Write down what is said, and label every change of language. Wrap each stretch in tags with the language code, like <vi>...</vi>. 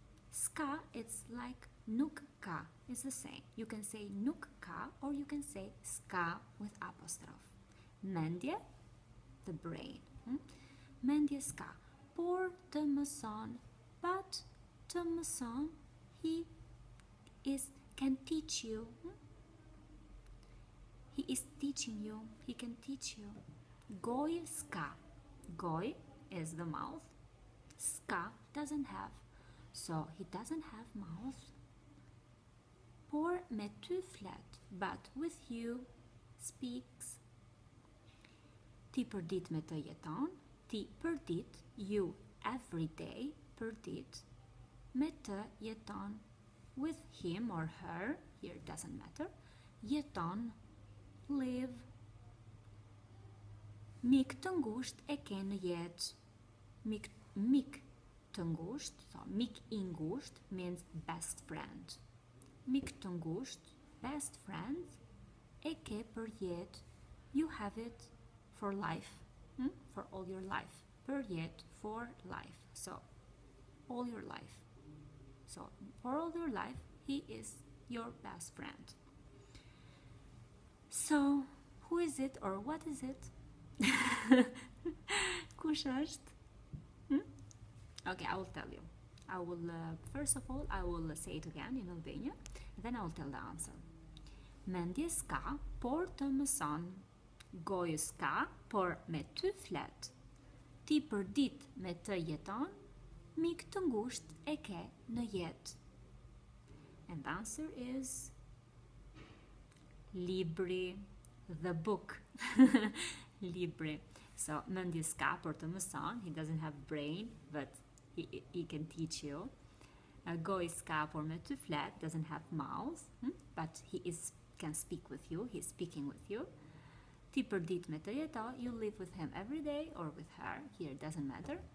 <en>Ska, it's like nuk ka, it's the same. You can say nuk ka or you can say ska with apostrophe.</en> <sq>Mendje,</sq> <en>the brain.</en> <sq>Mendje ska. Por të mëson,</sq> <en>but</en> <sq>të mëson,</sq> <en>can teach you. He is teaching you. He can teach you.</en> <sq>Goj ska.</sq> <en>Goj is the mouth. Ska doesn't have. So he doesn't have mouth.</en> <sq>Por me ty flet,</sq> <en>but with you speaks.</en> <sq>Ti përdit me të jeton, ti përdit,</sq> <en>you every day,</en> <sq>përdit, me të jeton,</sq> <en>with him or her, here doesn't matter,</en> <sq>jeton,</sq> <en>live.</en> <sq>Mik të ngusht e ke në jet, mik të ngusht,</sq> <en>so</en> <sq>mik I ngusht</sq> <en>means best friend.</en> <sq>Mik të ngusht,</sq> <en>best friend,</en> <sq>e ke për jet,</sq> <en>you have it. For life, for all your life,</en> <sq>per yet,</sq> <en>for life, so all your life. So for all your life, he is your best friend. So who is it or what is it?</en> <sq>Kush është?</sq> <en>Okay, I will tell you. I will, first of all, I will say it again in Albanian, then I will tell the answer.</en> <sq>Mendje ska, por të mëson. Goj ska, por me ty flet. Ti përdit me të jeton, mik të ngusht e ke në jet.</sq> <en>And the answer is libri, the book. Libri. So,</en> <sq>mendje ska, por të mëson.</sq> <en>He doesn't have brain, but he can teach you.</en> <sq>Goj ska, por me ty flet,</sq> <en>doesn't have mouth, but he can speak with you, he's speaking with you.</en> <sq>Ti përdit me të jeto,</sq> <en>you live with him every day or with her, here doesn't matter.</en>